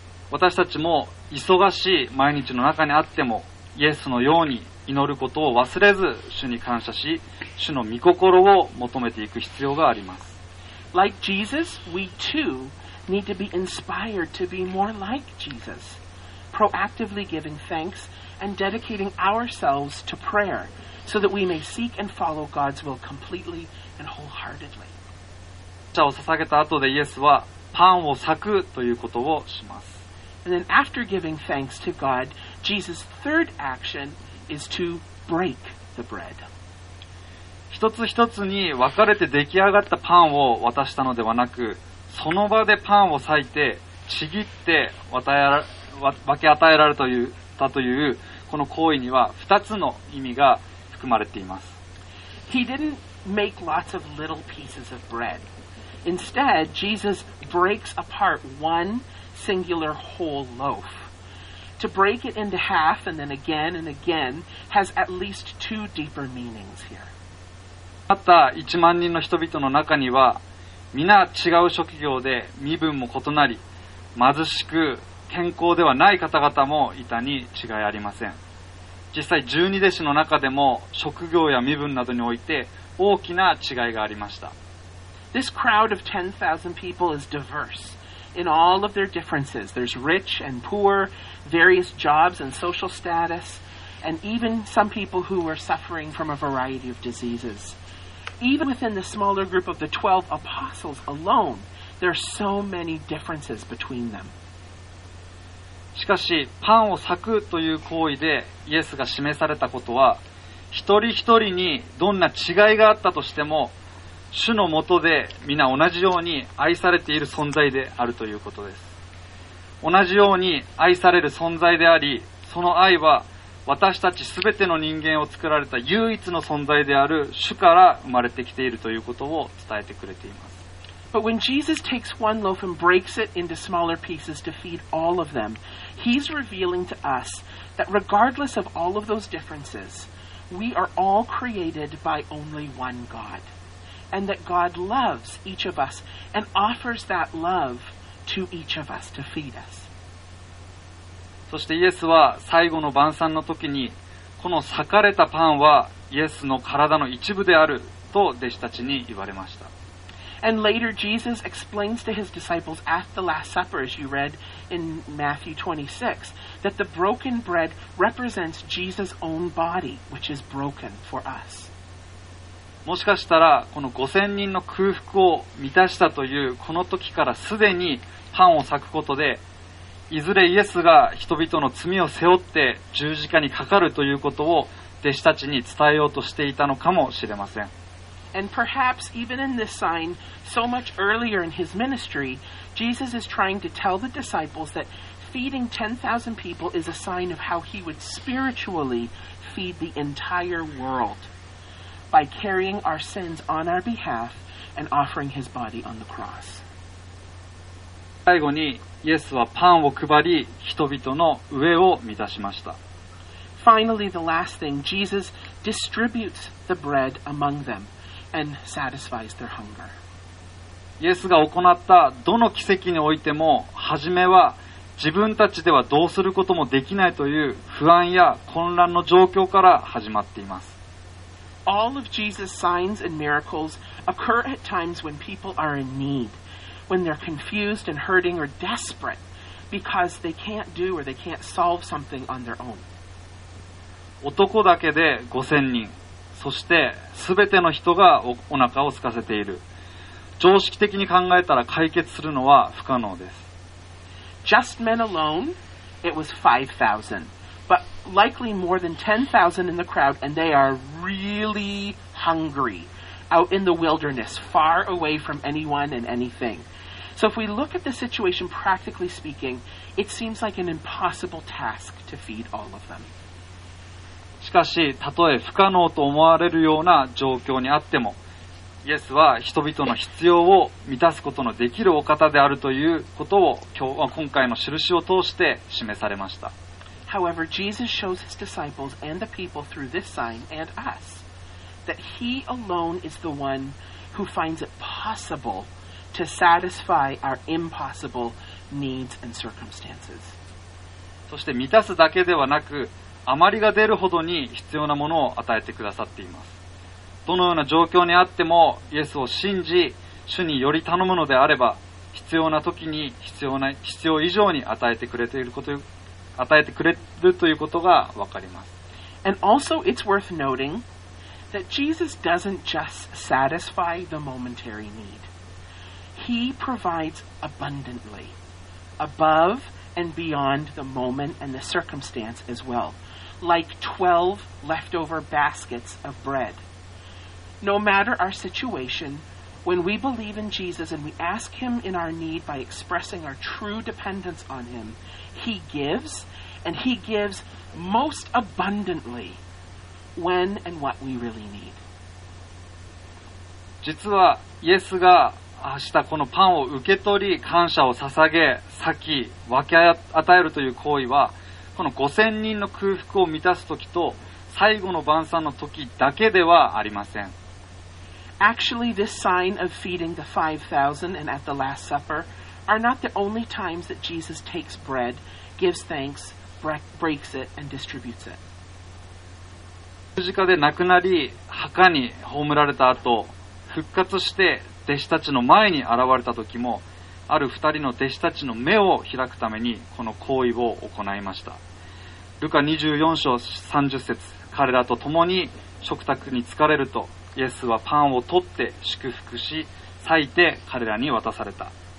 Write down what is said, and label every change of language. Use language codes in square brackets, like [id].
[ja] 私たちも忙しい毎日の中にあっても、イエスのように祈ることを忘れず、主に感謝し、主の御心を求めていく必要があります。 [en] Like Jesus, we too need to be inspired to be more like Jesus, proactively giving thanks and dedicating ourselves to prayer, so that we may seek and follow God's will completely and wholeheartedly. [ja] 感謝を捧げた後でイエスはパンを裂くということをします。 [en] And then after giving thanks to God, Jesus' third action is to break the bread. [ja] 一つ一つに分かれて出来上がったパンを渡したのではなく、その場でパンを裂いて、ちぎって分け与えられたというこの行為には二つの意味が含まれています。 [en] He didn't make lots of little pieces of bread. Instead, Jesus breaks apart one singular whole loaf. To break it into half and then again and again has at least two deeper meanings here. [ja] また1万人の人々の中には、皆違う職業で身分も異なり、貧しく健康ではない方々もいたに違いありません。実際十二弟子の中でも職業や身分などにおいて大きな違いがありました。 [en] This crowd of 10,000 people is diverse. In all of their differences, there's rich and poor, various jobs and social status, and even some people who were suffering from a variety of diseases. Even within the smaller group of the 12 apostles alone, there are so many differences between them. [ja] しかし、パンを裂くという行為でイエスが示されたことは、一人一人にどんな違いがあったとしても、主のもとで皆同じように愛されている存在であるということです。同じように愛される存在であり、その愛は私たちすべての人間を作られた唯一の存在である主から生まれてきているということを伝えてくれています。 [en] But when Jesus takes one loaf and breaks it into smaller pieces to feed all of them, he's revealing to us that regardless of all of those differences, we are all created by only one GodAnd that God loves each of us and offers that love to each of us to feed us. [ja] そしてイエスは最後の晩餐の時に、この裂かれたパンはイエスの体の一部であると弟子たちに言われました。 [en] And later Jesus explains to his disciples at the Last Supper, as you read in Matthew 26, that the broken bread represents Jesus' own body, which is broken for us. [ja] もしかしたらこの5000人の空腹を満たしたというこの時からすでにパンを裂くことで、いずれイエスが人々の罪を背負って十字架にかかるということを弟子たちに伝えようとしていたのかもしれません。 [en] And perhaps even in this sign, so much earlier in his ministry, Jesus is trying to tell the disciples that feeding 10,000 people is a sign of how he would spiritually feed the entire world. By carrying our sins on our behalf and offering his body on the cross. [ja] 最後にイエスはパンを配り人々の飢えを満たしました。 [en] Finally, the last thing, Jesus distributes the bread among them and satisfies their hunger. [ja] イエスが行ったどの奇跡においても、はじめは自分たちではどうすることもできないという不安や混乱の状況から始まっています。 [en] All of Jesus' signs and miracles occur at times when people are in need, when they're confused and hurting or desperate because they can't do or they can't solve something on their own. [ja] 男だけで5000人、そしてすべての人が お腹を空かせている。常識的に考えたら解決するのは不可能です。 [en] Just men alone, it was 5,000. But likely more than 10,000 in the crowd, and they are really hungry out in the wilderness, far away from anyone and anything. So if we look at the situation practically speaking, it seems like an impossible task to feed all of them. [ja] しかし、たとえ不可能と思われるような状況にあっても、イエスは人々の必要を満たすことのできるお方であるということを今回の印を通して示されました。 [en] However, Jesus shows his disciples and the people through this sign and us that he alone is the one who finds it possible to satisfy our impossible needs and circumstances. [ja] そして満たすだけではなく、余りが出るほどに必要なものを与えてくださっています。どのような状況にあってもイエスを信じ主により頼むのであれば必要な時に必要以上に与えてくれていること与えてくれるということがわかります。 [en] And also it's worth noting that Jesus doesn't just satisfy the momentary need. He provides abundantly above and beyond the moment and the circumstance as well. Like 12 leftover baskets of bread. No matter our situation, when we believe in Jesus and we ask Him in our need by expressing our true dependence on Him, He gives, and He gives most abundantly when and what we really need. [ja] 実はイエスが明日このパンを受け取り感謝を捧げ、先分け与えるという行為は、この5000人の空腹を満たす時と最後の晩餐の時だけではありません。 [en] Actually, this sign of feeding the 5,000 and at the Last Supper are not the only times that Jesus takes bread, gives thanks, breaks it, and distributes it. [ja] 十字架で亡くなり、墓に葬られた後、復活して弟子たちの前に現れた時も、ある二人の弟子たちの目を開くためにこの行為を行いました。ルカ24章30節、彼らと共に食卓に疲れると、イエスはパンを取って祝福し、裂いて彼らに渡された。